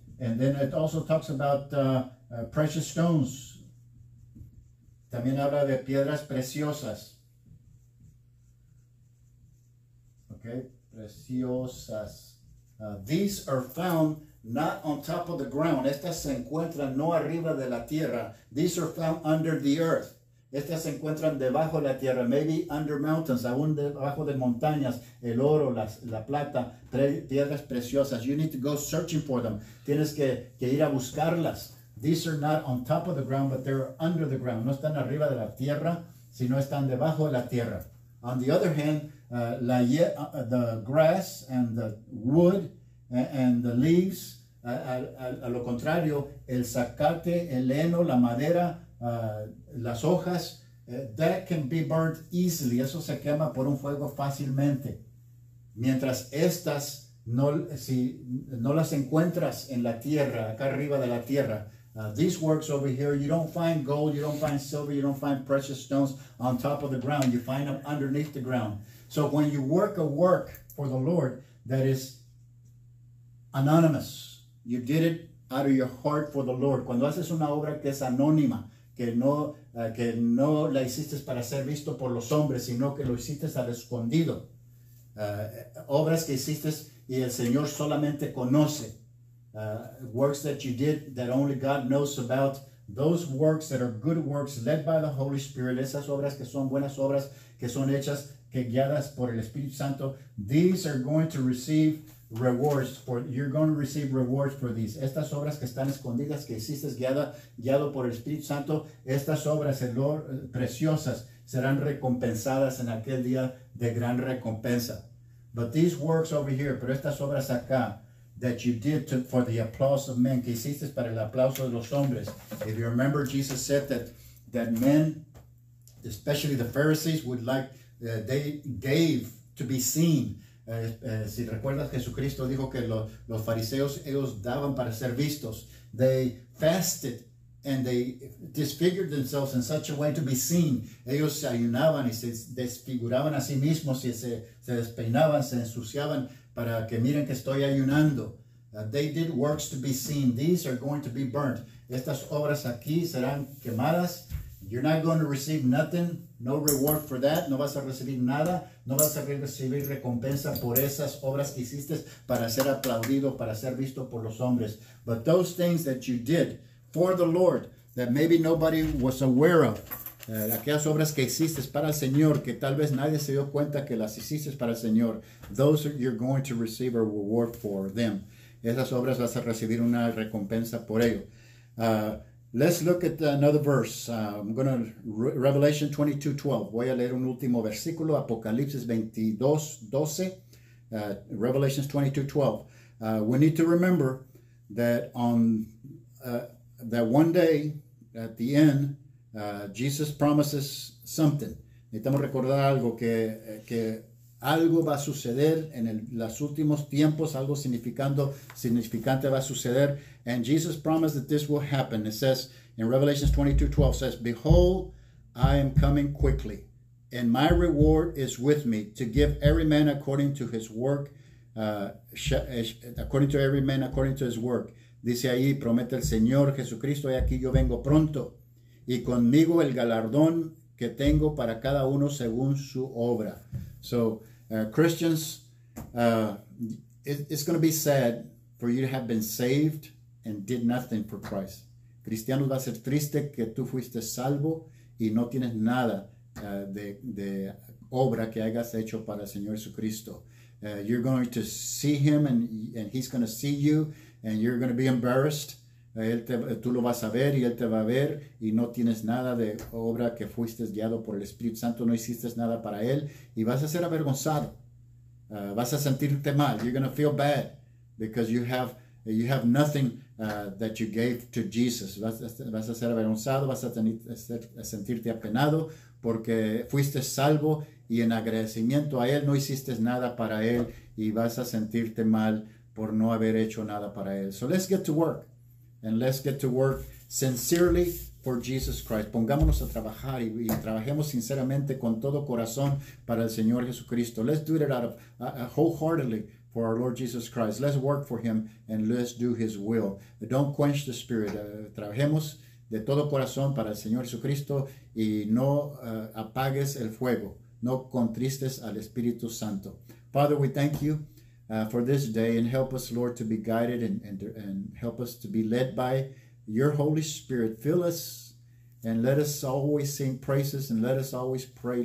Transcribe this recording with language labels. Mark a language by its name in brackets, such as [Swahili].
[English] And then it also talks about precious stones. [Spanish] También habla de piedras preciosas. [English] Okay, preciosas. These are found not on top of the ground. [Spanish] Estas se encuentran no arriba de la tierra. [English] These are found under the earth. [Spanish] Estas se encuentran debajo de la tierra. [English] Maybe under mountains, [Spanish] aún debajo de montañas. El oro, la plata, piedras preciosas. [English] You need to go searching for them. [Spanish] Tienes que ir a buscarlas. [English] These are not on top of the ground, but they're under the ground. [Spanish] No están arriba de la tierra, sino están debajo de la tierra. [English] On the other hand, the grass and the wood and the leaves, [Spanish] a lo contrario, el zacate, el heno, la madera, las hojas, [English] that can be burned easily. [Spanish] Eso se quema por un fuego fácilmente. Mientras estas, si no las encuentras en la tierra, [English] acá arriba de la tierra, these works over here, you don't find gold, you don't find silver, you don't find precious stones on top of the ground. You find them underneath the ground. So when you work a work for the Lord that is anonymous, you did it out of your heart for the Lord. [Spanish] Cuando haces una obra que es anónima, que no la hiciste para ser visto por los hombres, sino que lo hiciste al escondido. Obras que hiciste y el Señor solamente conoce. [English] Works that you did that only God knows about. Those works that are good works led by the Holy Spirit. [Spanish] Esas obras que son buenas obras que son hechas que guiadas por el Espíritu Santo. [English] These are going to receive rewards for. You're going to receive rewards for these. [Spanish] Estas obras que están escondidas que hiciste guiado por el Espíritu Santo. Estas obras preciosas serán recompensadas en aquel día de gran recompensa. [English] But these works over here. [Spanish] Pero estas obras acá. [English] That you did for the applause of men. [Spanish] Que hiciste para el aplauso de los hombres. [English] If you remember, Jesus said that men, especially the Pharisees, would like, they gave to be seen. [Spanish] Si recuerdas, Jesucristo dijo que los fariseos, ellos daban para ser vistos. [English] They fasted and they disfigured themselves in such a way to be seen. [Spanish] Ellos se ayunaban y se desfiguraban a sí mismos y se despeinaban, se ensuciaban. Para que miren que estoy ayunando. [English] They did works to be seen. These are going to be burnt. [Spanish] Estas obras aquí serán quemadas. [English] You're not going to receive nothing. No reward for that. [Spanish] No vas a recibir nada. No vas a recibir recompensa por esas obras que hiciste para ser aplaudido, para ser visto por los hombres. [English] But those things that you did for the Lord that maybe nobody was aware of. [Spanish] Aquellas obras que hiciste para el Señor, que tal vez nadie se dio cuenta que las hiciste para el Señor, [English] those you're going to receive a reward for them. [Spanish] Esas obras vas a recibir una recompensa por ello. [English] Let's look at another verse. I'm going to Revelation 22:12. [Spanish] Voy a leer un último versículo, Apocalipsis 22:12. [English] Revelation 22:12. We need to remember that that one day at the end. Jesus promises something. [Spanish] Necesitamos recordar algo que algo va a suceder en los últimos tiempos, algo significante va a suceder. [English] And Jesus promised that this will happen. It says in Revelation 22:12 says, "Behold, I am coming quickly, and my reward is with me to give every man according to his work, according to every man according to his work." [Spanish] Dice ahí, promete el Señor Jesucristo, y aquí yo vengo pronto. Y conmigo el galardón que tengo para cada uno según su obra. [English] So, Christians, it's going to be sad for you to have been saved and did nothing for Christ. [Spanish] Cristianos, va a ser triste que tú fuiste salvo y no tienes nada de obra que hayas hecho para el Señor Jesucristo. [English] You're going to see him and he's going to see you and you're going to be embarrassed. [Spanish] Tú lo vas a ver y él te va a ver y no tienes nada de obra que fuiste guiado por el Espíritu Santo, no hiciste nada para él y vas a ser avergonzado, vas a sentirte mal. [English] You're going to feel bad because you have nothing that you gave to Jesus. [Spanish] Vas a ser avergonzado, vas a sentirte apenado porque fuiste salvo y en agradecimiento a él no hiciste nada para él y vas a sentirte mal por no haber hecho nada para él. [English] So let's get to work. And let's get to work sincerely For Jesus Christ. [Spanish] Pongámonos a trabajar y trabajemos sinceramente con todo corazón para el Señor Jesucristo. [English] Let's do it out of wholeheartedly for our Lord Jesus Christ. Let's work for him and let's do his will. Don't quench the spirit. [Spanish] Trabajemos de todo corazón para el Señor Jesucristo y no apagues el fuego. No contristes al Espíritu Santo. [English] Father, we thank you for this day and help us, Lord, to be guided and help us to be led by your Holy Spirit. Fill us and let us always sing praises and let us always pray.